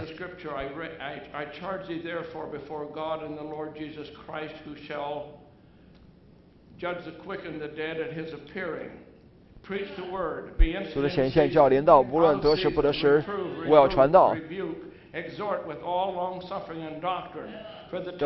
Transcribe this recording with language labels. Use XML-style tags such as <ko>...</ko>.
<en>I charge thee therefore before God and the Lord Jesus Christ, who shall judge the quick and the dead at His appearing. Preach the word. Be instant in season.</en> <zh>主的显现就要临到，无论得时不得时，我要传道。</zh> <en>Exhort with all long suffering and doctrine, for the time</en>